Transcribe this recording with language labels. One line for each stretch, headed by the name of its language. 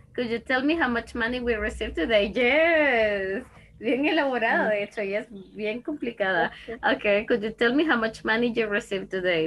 English: Could you tell me how much money we received today? Yes.
Spanish: Bien elaborado, de hecho, y es bien complicada.
English: Okay, could you tell me how much money you received today?